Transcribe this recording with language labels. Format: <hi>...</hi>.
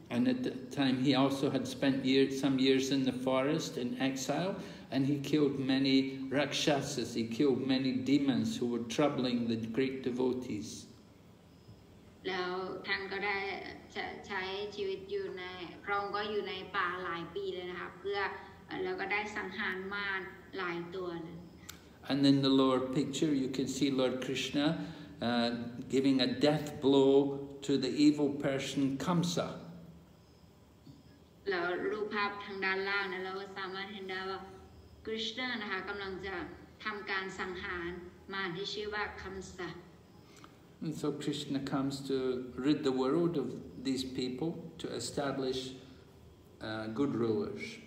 <en>And at the time he also had spent some years in the forest in exile and he killed many rakshasas, he killed many demons who were troubling the great devotees.</en> <th>แล้วท่านก็ได้ใช้ชีวิตอยู่ในพระองค์ก็อยู่ในป่าหลายปีเลยนะคะเพื่อแล้วก็ได้สังหารมารหลายตัว</th> <en>And in the lower picture you can see Lord Krishna giving a death blow to the evil person Kamsa</en> <th>แล้วรูปภาพทางด้านล่างนะเราสามารถเห็นได้ว่าคริสต์นะคะกำลังจะทำการสังหารมารที่ชื่อว่าคัมสะ</th> <en>And so Krishna comes to rid the world ofthese people to establish good rulers.</en>